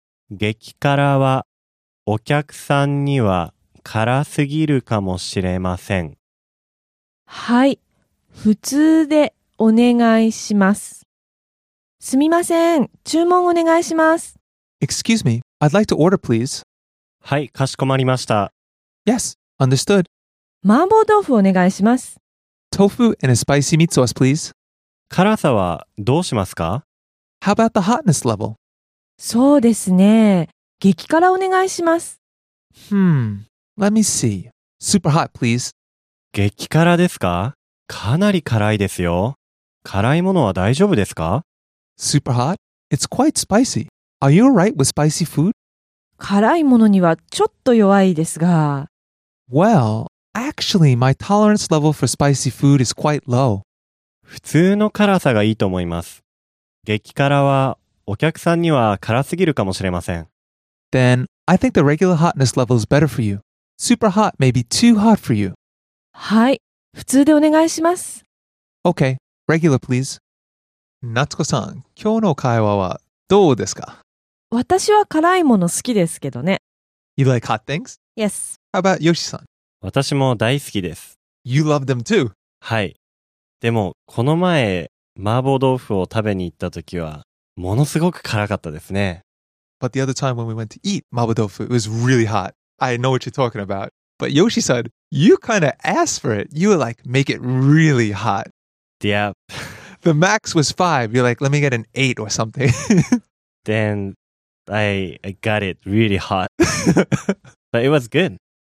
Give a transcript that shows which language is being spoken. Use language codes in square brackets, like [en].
[ja] 激辛はお客さんには辛すぎるかもしれません。はい、普通でお願いします。すみません、注文お願いします。 [en] Excuse me, I'd like to order please. [ja] はい、かしこまりました。 [en] Yes, understood. [ja] 麻婆豆腐お願いします。 [en] Tofu and a spicy meat sauce please. [ja] 辛さはどうしますか？ [en] How about the hotness level? [ja] そうですね。激辛お願いします。 [en] Let me see. Super hot, please. [ja] 激辛ですか？かなり辛いですよ。辛いものは大丈夫ですか？ [en] Super hot? It's quite spicy. Are you alright with spicy food? [ja] 辛いものにはちょっと弱いですが。 [en] Well, actually, my tolerance level for spicy food is quite low. [ja] 普通の辛さがいいと思います。激辛はお客さんには辛すぎるかもしれません。 [en] Then, I think the regular hotness level is better for you. Super hot may be too hot for you. [ja] はい、普通でお願いします。 [en] Okay, regular please. [ja] 夏子さん、今日の会話はどうですか？私は辛いもの好きですけどね。 [en] You like hot things? Yes. How about Yoshi さん? [ja] 私も大好きです。 [en] You love them too? [ja] はい。でも、この前、麻婆豆腐を食べに行った時は、ものすごく辛かったですね。 [en] But the other time when we went to eat 麻婆豆腐, it was really hot. I know what you're talking about. But Yoshi said, you kind of asked for it. You were like, make it really hot. Yep. The max was 5. You're like, let me get an 8 or something. Then I got it really hot. But it was good.